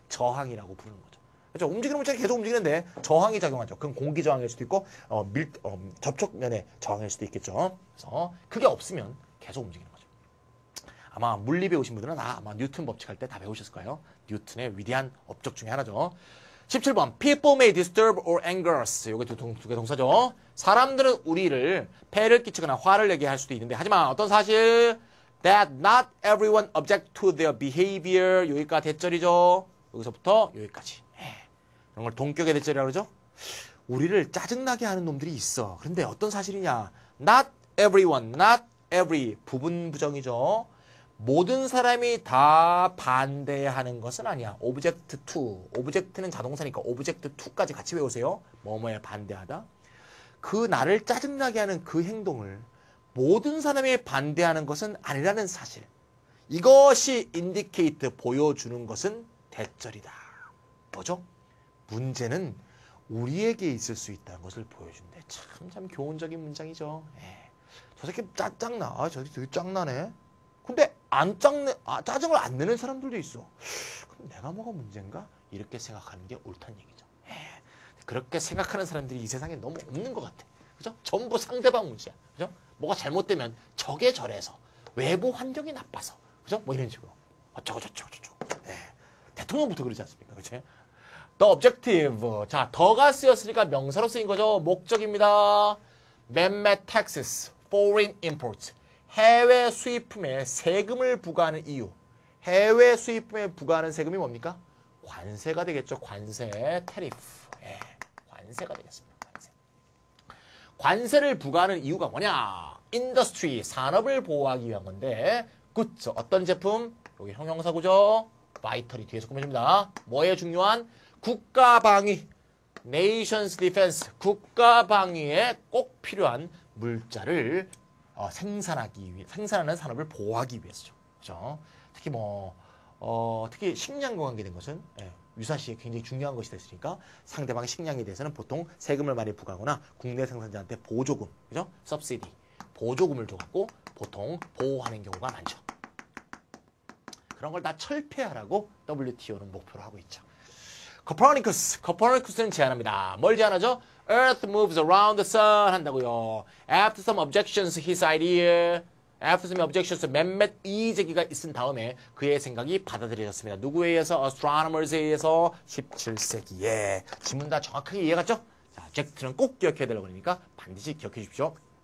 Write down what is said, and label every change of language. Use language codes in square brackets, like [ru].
[ko] 저항이라고 부르는 거죠. 그렇죠. 움직이는 물체가 계속 움직이는데 저항이 작용하죠. 그건 공기 저항일 수도 있고 접촉면의 저항일 수도 있겠죠. 그래서 그게 없으면 계속 움직이는 거죠. 아마 물리 배우신 분들은 아마 뉴턴 법칙 할 때 다 배우셨을 거예요. 뉴턴의 위대한 업적 중에 하나죠. [en] 17번 People may disturb or anger us. [ko] 이게 두 개 동사죠. 사람들은 우리를 폐를 끼치거나 화를 내게 할 수도 있는데 하지만 어떤 사실 [en] that not everyone object to their behavior [ko] 여기까지 대절이죠. 여기서부터 여기까지. 그런 걸 동격의 대절이라고 그러죠. 우리를 짜증나게 하는 놈들이 있어. 그런데 어떤 사실이냐. [en] Not everyone, not every [ko] 부분 부정이죠. 모든 사람이 다 반대하는 것은 아니야. [en] Object to. [ko] Object는 자동사니까 Object to까지 같이 외우세요. 뭐뭐에 반대하다. 그 나를 짜증나게 하는 그 행동을 모든 사람이 반대하는 것은 아니라는 사실. 이것이 indicate 보여주는 것은 대절이다. 뭐죠? 문제는 우리에게 있을 수 있다는 것을 보여준대. 참, 참 교훈적인 문장이죠. 예. 저 새끼 짜증나. 아, 저 새끼 되게 짱나네. 근데 짜증을 안 내는 사람들도 있어. 그럼 내가 뭐가 문제인가? 이렇게 생각하는 게 옳다는 얘기죠. 예. 그렇게 생각하는 사람들이 이 세상에 너무 없는 것 같아. 그죠? 전부 상대방 문제야. 그죠? 뭐가 잘못되면 저게 저래서. 외부 환경이 나빠서. 그죠? 뭐 이런 식으로. 어쩌고저쩌고저쩌고. 예. 대통령부터 그러지 않습니까? 그치? [en] The objective. [ko] 자, 더가 쓰였으니까 명사로 쓰인 거죠. 목적입니다. [en] Man-made taxes, foreign imports. [ko] 해외 수입품에 세금을 부과하는 이유. 해외 수입품에 부과하는 세금이 뭡니까? 관세가 되겠죠. 관세, tariff. 예, 관세가 되겠습니다. 관세. 관세를 부과하는 이유가 뭐냐? Industry, 산업을 보호하기 위한 건데. Goods, 어떤 제품? 여기 형용사구죠. Vitally, 뒤에서 꾸며줍니다. 뭐에 중요한? 국가 방위, nation's defense, 국가 방위에 꼭 필요한 물자를 생산하는 산업을 보호하기 위해서죠. 그죠? 특히 특히 식량과 관계된 것은, 예, 유사시에 굉장히 중요한 것이 됐으니까 상대방의 식량에 대해서는 보통 세금을 많이 부과하거나 국내 생산자한테 보조금, 그죠? subsidy, 보조금을 줘갖고 보통 보호하는 경우가 많죠. 그런 걸 다 철폐하라고 WTO는 목표로 하고 있죠. 코퍼니쿠스. 코퍼니쿠스는 제안합니다. 뭘 제안하죠? [en] Earth moves around the sun [ko] 한다고요. [en] After some objections, his idea. After some objections, [ko] 몇몇 이의제기가 있은 다음에 그의 생각이 받아들여졌습니다. 누구에 의해서? Astronomers에 의해서 17세기에. 지문 다 정확하게 이해갔죠? 자, 잭트는 꼭 기억해야 되려고 그러니까 반드시 기억해 주십시오.